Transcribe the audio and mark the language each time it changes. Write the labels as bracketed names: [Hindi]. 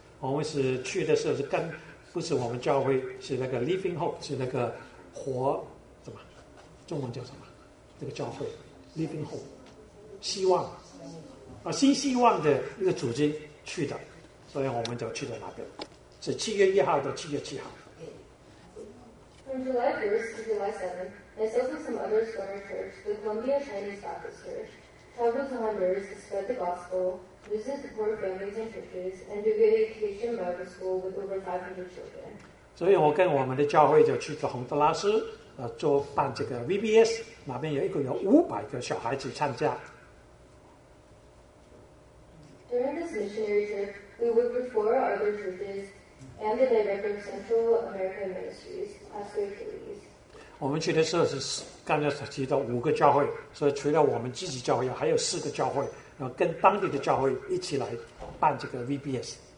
[Chinese] 我们是去的时候是跟不是我们教会，是那个 Living Hope， 是那个活什么中文叫什么那个教会 Living Hope 希望啊，新希望的一个组织去的，所以我们就去了那边，是7月1号到7月7号。 [English] From July 1st to July 7th, There's also some other Southern Church, the Columbia Chinese Baptist Church, travel to Honduras to spread the gospel, visit the poor families and churches, and do good education Bible school with over 500 children. [Chinese] 所以我跟我们的教会就去了洪都拉斯，做办这个 VBS， 那边有一共有500个小孩子参加。 [English] During this missionary trip, we worked with 4 other churches and the director of Central American Ministries, Pastor Kelly. [Chinese] 我们去的时候是刚才提到5个教会，所以除了我们自己教会，还有4个教会，然后跟当地的教会一起来办这个 VBS。